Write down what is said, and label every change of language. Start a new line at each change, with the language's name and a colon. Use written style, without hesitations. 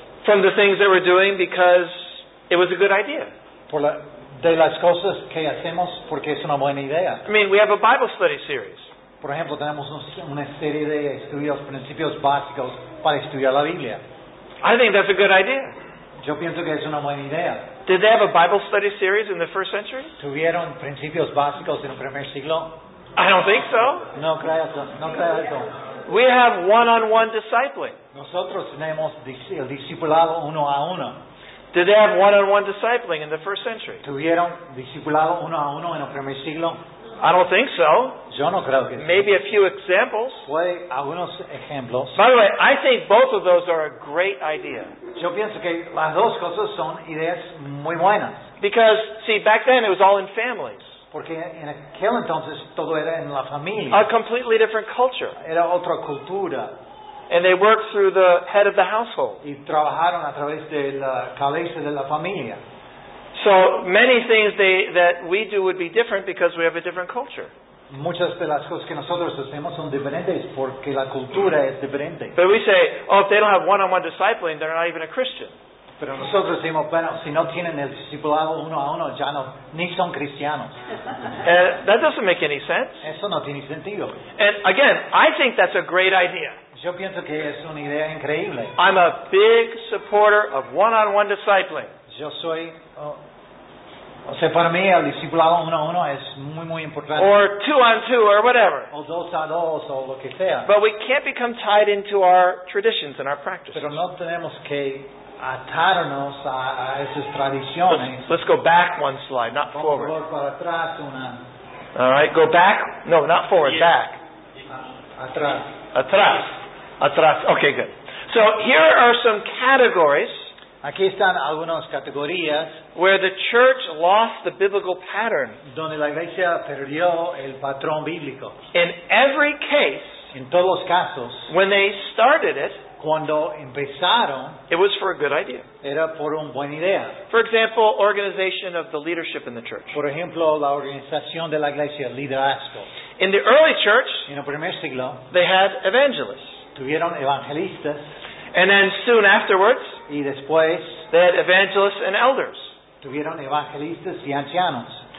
English: From the things that we're doing because it was a good idea.
Spanish: De las cosas que hacemos porque es una buena idea.
English: I mean, we have a Bible study series.
Spanish: Por ejemplo, tenemos una serie de estudios, principios básicos para estudiar la Biblia.
English: I think that's a good idea.
Spanish: Yo pienso que es una buena idea.
English: Did they have a Bible study series in the first century?
Spanish: ¿Tuvieron principios básicos en el primer siglo?
English: I don't think so.
Spanish: No creo eso. No creo eso.
English: We have one-on-one discipling.
Spanish: Nosotros tenemos el discipulado uno a uno.
English: Did they have one-on-one discipling in the first century?
Spanish: ¿Tuvieron discipulado uno a uno en el primer siglo?
English: I don't think so.
Spanish: Yo no creo que
English: maybe sea. A few examples.
Spanish: Puede algunos ejemplos.
English: By the way, I think both of those are a great idea.
Spanish: Yo pienso que las dos cosas son ideas muy buenas.
English: Because, see, back then it was all in families.
Spanish: Porque en aquel entonces todo era en la familia.
English: A completely different culture.
Spanish: Era otra cultura.
English: And they worked through the head of the household.
Spanish: Y trabajaron a través de la cabeza de la familia.
English: So many things that we do would be different because we have a different culture.
Spanish: Muchas de las cosas que nosotros hacemos son diferentes porque la cultura es diferente.
English: But we say, oh, if they don't have one-on-one discipling, they're not even a Christian.
Spanish: Pero nosotros decimos, bueno, si no tienen el discipulado uno a uno, ya no, ni son cristianos.
English: That doesn't make any sense.
Spanish: Eso no tiene sentido.
English: And again, I think that's a great idea.
Spanish: Yo pienso que es una idea increíble.
English: I'm a big supporter of one-on-one discipling.
Spanish: Yo soy, o sea, para mí el discipulado uno a uno es muy, muy importante.
English: Or two-on-two, or whatever.
Spanish: O dos a dos, o lo que sea.
English: But we can't become tied into our traditions and our practices.
Spanish: Pero no tenemos que atarnos a esas tradiciones.
English: Let's go back one slide, not forward.
Spanish: Vamos para atrás una.
English: All right, go back. No, not forward, yeah. Back.
Spanish: Atrás. Atrás. Atrás.
English: Okay, good. So here are some categories.
Spanish: Aquí están algunas categorías
English: where the church lost the biblical pattern.
Spanish: Donde la iglesia perdió el patrón bíblico.
English: In every case,
Spanish: en todos los casos,
English: when they started it,
Spanish: cuando empezaron,
English: it was for a good idea.
Spanish: Era por un buena idea.
English: For example, organization of the leadership in the church.
Spanish: Por ejemplo, la organización de la iglesia, liderazgo.
English: In the early church,
Spanish: en el primer siglo,
English: they had evangelists.
Spanish: Tuvieron evangelistas.
English: And then soon afterwards,
Spanish: y después,
English: they had evangelists and elders.
Spanish: Tuvieron evangelistas y ancianos.